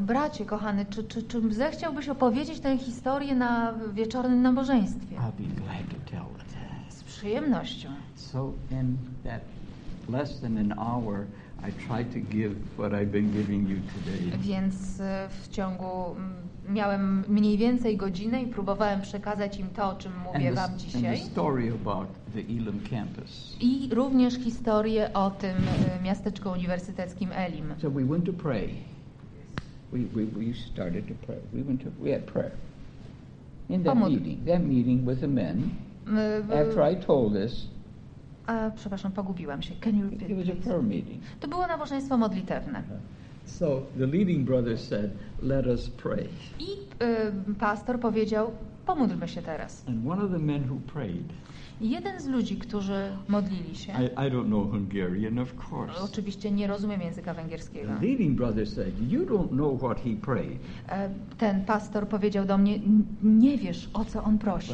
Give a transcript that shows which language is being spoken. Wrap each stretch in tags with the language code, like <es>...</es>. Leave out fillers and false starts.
<pl>Bracie, kochany, czy zechciałbyś opowiedzieć tę historię na wieczornym nabożeństwie?</pl> <en>I'll be glad to tell it.</en> <pl>Z przyjemnością.</pl> <en>So in that less than an hour, I tried to give what I've been giving you today.</en> <pl>Więc w ciągu miałem mniej więcej godzinę i próbowałem przekazać im to, o czym mówię wam dzisiaj.</pl> <en>And the story about the Elim campus.</en> <pl>I również historię o tym miasteczku uniwersyteckim Elim.</pl> <en>So we went to pray. We started to pray. We had prayer. In that meeting. That meeting with the men. After I told this.</en> <pl>Przepraszam, pogubiłam się.</pl> <en>Can you repeat, it was a prayer meeting.</en> <pl>To było nabożeństwo modlitewne.</pl> <en>So the leading brother said, "Let us pray."</en> <pl>I pastor powiedział, pomódlmy się teraz.</pl> <en>And one of the men who prayed.</en> <pl>Jeden z ludzi, którzy modlili się.</pl> <en>I don't know Hungarian, of course.</en> <pl>Oczywiście nie rozumiem języka węgierskiego.</pl> <en>The leading brother said, "You don't know what he prayed."</en> <pl>Ten pastor powiedział do mnie, nie wiesz, o co on prosił.</pl>